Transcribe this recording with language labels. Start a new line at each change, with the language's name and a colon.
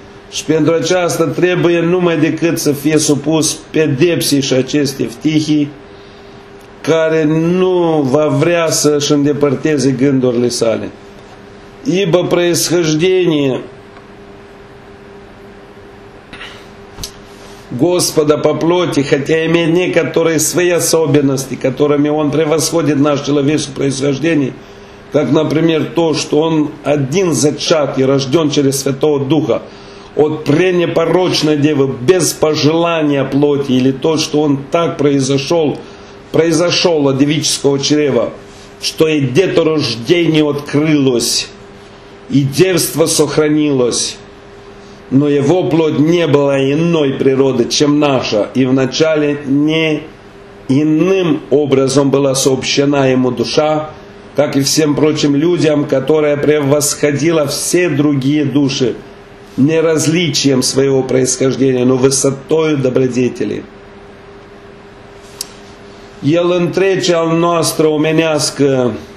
Romanian: Și pentru aceasta trebuie numai decât să fie supus pedepsii și aceste ftihii, care nu va vrea să-și îndepărteze gândurile sale.
Russian: Ибо происхождение Господа по плоти, хотя имеет некоторые свои особенности, которыми он превосходит наше человеческое происхождение, как, например, то, что он один зачат и рожден через Святого Духа от пренепорочной Девы без пожелания плоти, или то, что он так произошел от девического чрева, что и деторождение открылось, и девство сохранилось, но его плоть не была иной природы, чем наша, и вначале не иным образом была сообщена ему душа, как и всем прочим людям, которая превосходила все другие души не различием своего происхождения, но высотою добродетели».
Romanian: El întrece al nostru omenească